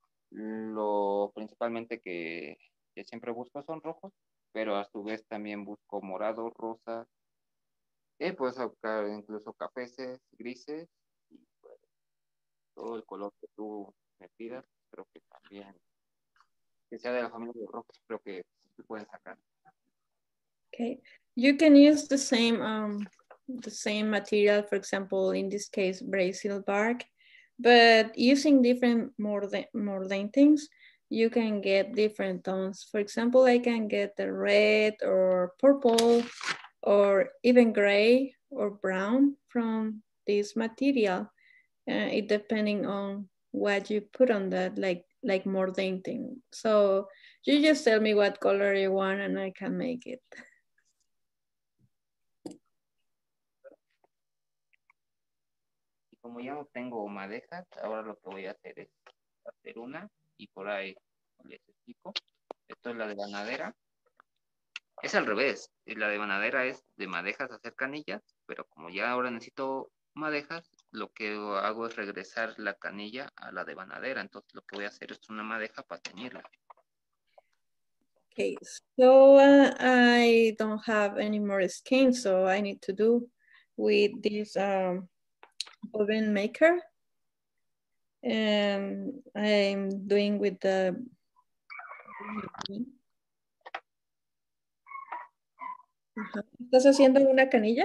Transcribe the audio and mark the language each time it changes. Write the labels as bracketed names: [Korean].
[Spanish] Lo principalmente que siempre busco son rojos, pero a su vez también busco morado, rosa, puedo sacar incluso cafeces, grises, y pues, todo el color que tú me pidas, creo que también, que sea de la familia de rojos, creo que se pueden sacar. [English] Okay, you can use the same material, for example, in this case, Brazil bark, but using different mordent things, you can get different tones. For example, I can get the red or purple or even gray or brown from this material. It depending on what you put on that, like mordenting. So you just tell me what color you want and I can make it. [Spanish] Como ya no tengo madejas, ahora lo que voy a hacer es hacer una y por ahí les explico. Esto es la de banadera. Es al revés. La de banadera es de madejas hacer canillas, pero como ya ahora necesito madejas, lo que hago es regresar la canilla a la de banadera. Entonces lo que voy a hacer es una madeja para teñirla. [English] Okay, so I don't have any more skin, so I need to do with this oven maker, and I'm doing with the [Spanish] ¿Estás haciendo una canilla?